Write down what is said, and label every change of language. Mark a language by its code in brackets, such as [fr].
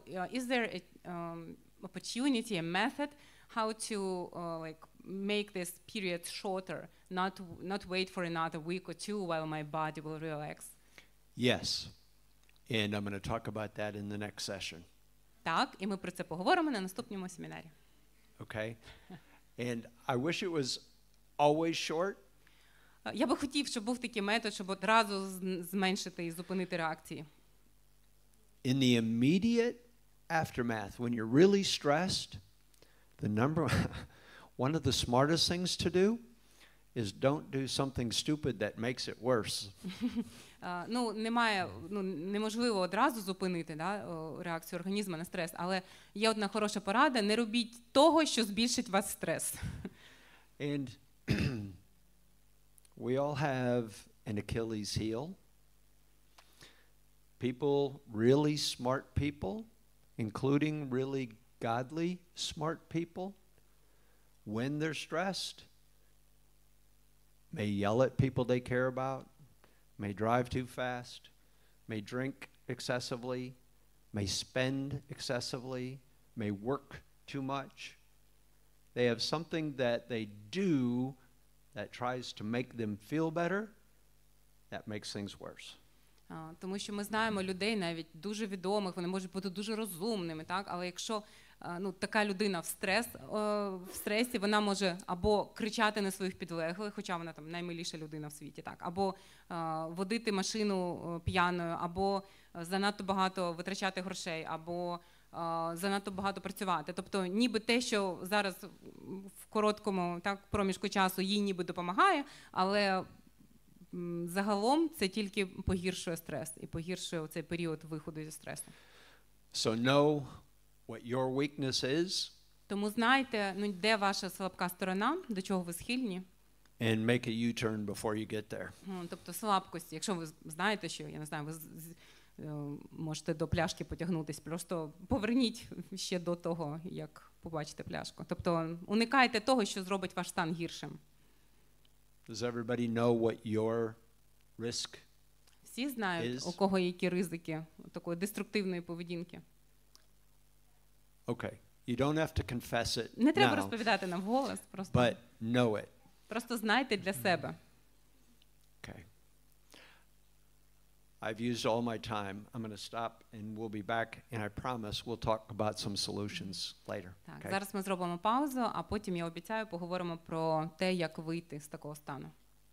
[en] Is there a opportunity, a method how to like make this period shorter, not wait for another week or two while my body will relax? Yes. And I'm going to talk about that in the next session. [uk] Так, і ми про це поговоримо на наступному семінарі. [en] Okay. And I wish it was always short. [uk] Я би хотів, щоб був такий метод, щоб одразу зменшити і зупинити реакції. [en] In the immediate aftermath, when you're really stressed, the number one of the smartest things to do is don't do something stupid that makes it worse. [uk] ну, немає, ну, неможливо одразу зупинити, да, реакцію організму на стрес, але є одна хороша порада: не робіть того, що збільшить вас стрес. [en] And we all have an Achilles heel. People, really smart people, including really godly smart people, when they're stressed, may yell at people they care about, may drive too fast, may drink excessively, may spend excessively, may work too much. They have something that they do that tries to make them feel better, that makes things worse. [uk] Тому що ми знаємо людей, навіть дуже відомих, вони можуть бути дуже розумними, так? Але якщо ну, така людина в стресі, вона може або кричати на своїх підлеглих, хоча вона там наймиліша людина в світі, так? Або водити машину п'яною, або занадто багато витрачати грошей, або занадто багато працювати. Тобто ніби те, що зараз в короткому так, проміжку часу їй ніби допомагає, але загалом це тільки погіршує стрес і погіршує цей період виходу зі стресу. [en] So know what your weakness is. [uk] Тому знайте, ну, де ваша слабка сторона, до чого ви схильні. [en] And make a U-turn before you get there. [uk] Ну, тобто слабкості, якщо ви знаєте, що, я не знаю, ви можете до пляшки потягнутись, просто поверніть ще до того, як побачите пляшку. Тобто уникайте того, що зробить ваш стан гіршим. [en] Does everybody know what your risk is? [uk] Всі знають, у кого які ризики такої деструктивної поведінки. [en] Okay. You don't have to confess it. [uk] Не треба розповідати нам вголос, просто. [en] But know it. [uk] Просто знайте для себе. [en] Okay. I've used all my time. I'm going to stop and we'll be back and I promise we'll talk about some solutions later. [uk] Так, зараз ми зробимо паузу, а потім я обіцяю, поговоримо про те, як вийти з такого стану.